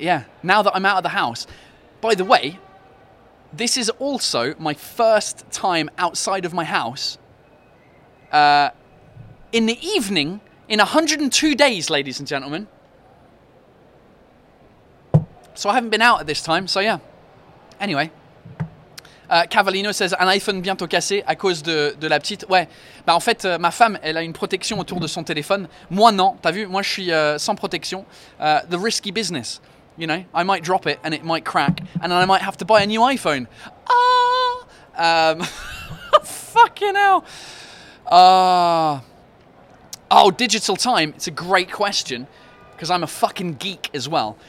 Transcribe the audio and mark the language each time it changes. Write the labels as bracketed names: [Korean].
[English] Yeah, now that I'm out of the house. By the way, this is also my first time outside of my house in the evening. In 102 days, ladies and gentlemen. So I haven't been out at this time, so yeah. Anyway. [French] Cavallino says, un iPhone bientôt cassé à cause de la petite. Ouais. Bah en fait, ma femme, elle a une protection autour de son téléphone. Moi, non. T'as vu, moi, je suis sans protection. [English] The risky business. You know, I might drop it and it might crack. And then I might have to buy a new iPhone. Ah! fucking hell. Oh, digital time, it's a great question, because I'm a fucking geek as well.